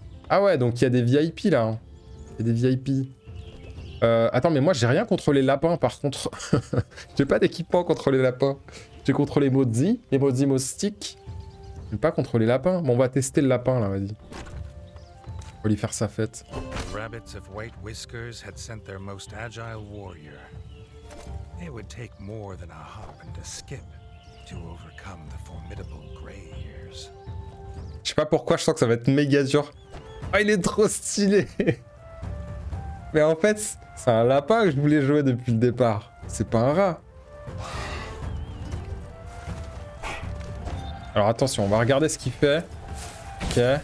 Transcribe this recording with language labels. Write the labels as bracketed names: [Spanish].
[French] Ah ouais, donc il y a des VIP là. Hein. Y a des VIP. Attends, mais moi, j'ai rien contre les lapins par contre. J'ai pas d'équipement contre les lapins. J'ai contre les Mozi moustiques. Mais pas contre les lapins. Bon, on va tester le lapin, là, vas-y. On va lui faire sa fête. [English] Rabbits of white whiskers had sent their most agile warrior. It would take more than a hop and a skip to overcome the formidable gray ears. [French] Je sais pas pourquoi, je sens que ça va être méga dur. Oh, il est trop stylé. Mais en fait, c'est un lapin que je voulais jouer depuis le départ. C'est pas un rat. Alors attention, on va regarder ce qu'il fait. Ok.